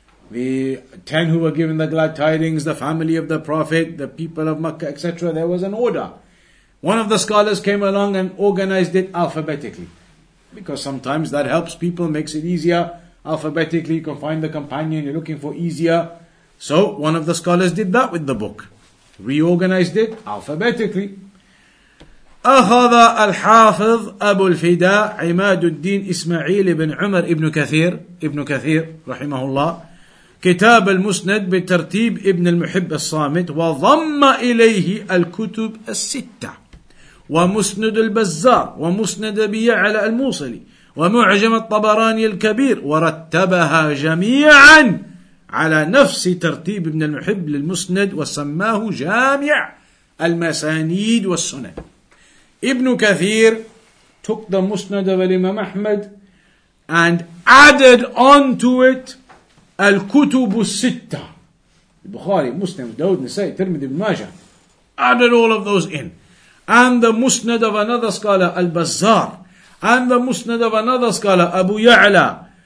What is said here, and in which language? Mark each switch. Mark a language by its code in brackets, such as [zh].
[en] The 10 who were given the glad tidings, the family of the Prophet, the people of Makkah, etc. There was an order. One of the scholars came along and organized it alphabetically, because sometimes that helps people, makes it easier. Alphabetically, you can find the companion you're looking for easier. So one of the scholars did that with the book. Reorganized it alphabetically. [ar] أخذ الحافظ أبو الفداء عماد الدين إسماعيل بن عمر ابن كثير رحمه الله كتاب المسند بترتيب ابن المحب الصامت وضم إليه الكتب الستة ومسند البزار ومسند أبي يعلى الموصلي ومعجم الطبراني الكبير ورتبها جميعا على نفس ترتيب ابن المحب للمسند وسماه جامع المسانيد والسنن. [en] Ibn Kathir took the Musnad of Imam Ahmad and added onto it Al-Kutub Sitta. Bukhari, Muslim, Dawud, Nisa'i, Tirmidhi, Ibn Majah. Added all of those in. And the Musnad of another scholar, Al-Bazzar. And the Musnad of another scholar, Abu Ya'la.